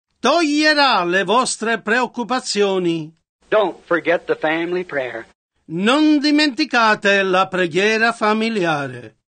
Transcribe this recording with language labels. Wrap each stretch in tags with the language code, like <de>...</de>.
<it>Toglierà le vostre preoccupazioni.</it> <en>Don't forget the family prayer.</en> <it>Non dimenticate la preghiera familiare.</it>